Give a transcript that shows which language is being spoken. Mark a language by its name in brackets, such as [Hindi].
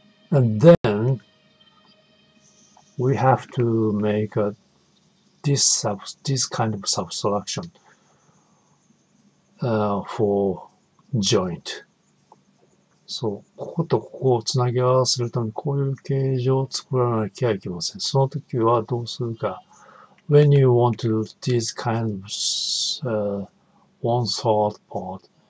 [English] And then we have to make this kind of subtraction for joint. [Japanese] So, こことここをつなぎ合わせるためにこういう形状を作らなきゃいけません。その時はどうするか。 [English] When you want to this kind of one third part.